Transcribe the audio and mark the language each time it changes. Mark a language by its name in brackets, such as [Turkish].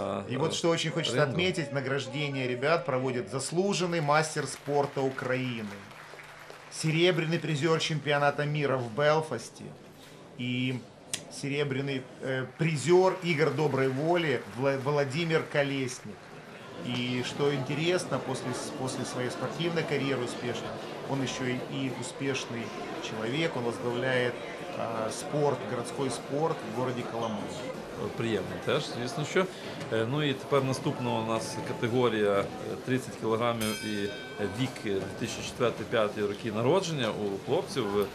[Ukrainian] і от що дуже хочеться відмітити, награждення ребят проводить заслужений мастер спорту України. Серебряний призер чемпіонату світу в Белфасті і серебряний призер ігор доброї волі Володимир Колесник. [Russian] И что интересно, после своей спортивной карьеры успешной, он еще и успешный человек, он возглавляет спорт, городской спорт в городе Коломон. [Ukrainian] Приємно теж, звісно, що. Ну і тепер наступна у нас категорія 30 кілограмів і вік 2004-2005 роки народження у хлопців.